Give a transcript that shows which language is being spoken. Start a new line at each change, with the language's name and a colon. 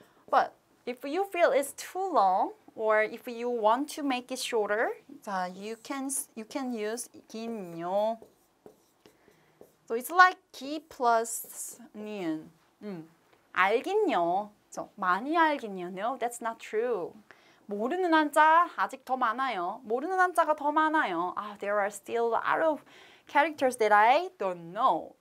English: But if you feel it's too long, or if you want to make it shorter, you can use 긴요. So it's like 기 plus 니은.
Korean: 알긴요. 그렇죠? 많이 알긴요.
English: No, that's not true.
Korean: 모르는 한자 아직 더 많아요. 모르는 한자가 더 많아요.
English: Ah, there are still a lot of characters that I don't know.